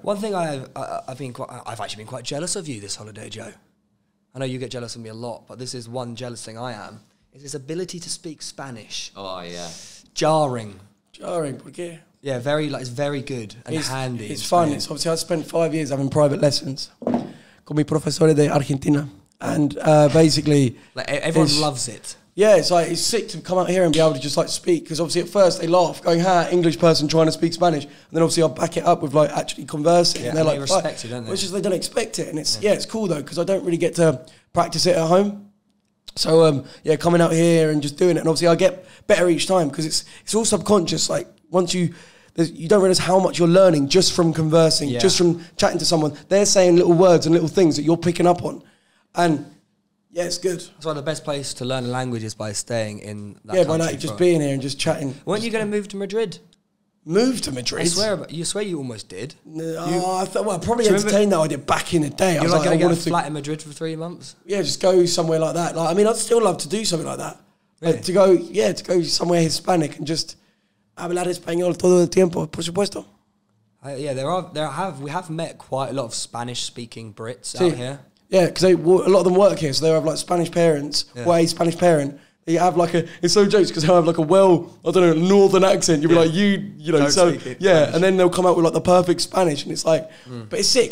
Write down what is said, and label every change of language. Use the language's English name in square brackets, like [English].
[English] One thing I've actually been quite jealous of you this holiday, Joe. I know you get jealous of me a lot, but this is one jealous thing I am is this ability to speak Spanish. Oh yeah, [Spanish] jarring. ¿Por qué? [English] Yeah, very like it's very good and it's, handy. It's fun. It's obviously I spent 5 years having private lessons. [Spanish] Con mi profesor de Argentina. [English] And basically... Like everyone loves it. Yeah, it's sick to come out here and be able to just like speak. Because obviously at first they laugh, going, ha, English person trying to speak Spanish. And then obviously I'll back it up with like actually conversing. Yeah, and they're and like, they respect it, don't they? Which is they don't expect it. And it's cool though, because I don't really get to practice it at home. So coming out here and just doing it. And obviously I get better each time because it's all subconscious. Like once you don't realize how much you're learning just from conversing, just from chatting to someone. They're saying little words and little things that you're picking up on. And yeah, it's good. That's why the best place to learn a language is by staying in that country. Yeah, by just being here and just chatting. Weren't you going to move to Madrid? Move to Madrid? I swear you almost did. I probably entertained that idea back in the day. You're not going to get a flat in Madrid for 3 months? Yeah, just go somewhere like that. Like, I mean, I'd still love to do something like that. Really? To go somewhere Hispanic and just... [Spanish] Hablar español todo el tiempo, por supuesto. [English] Yeah, we have met quite a lot of Spanish-speaking Brits out here. Yeah, because a lot of them work here, so they have like Spanish parents, or a Spanish parent. You have like a, it's so jokes because he'll have like a well, I don't know, northern accent. You'll be like, you know, don't so, yeah. Spanish. And then they'll come out with like the perfect Spanish and it's like, but it's sick.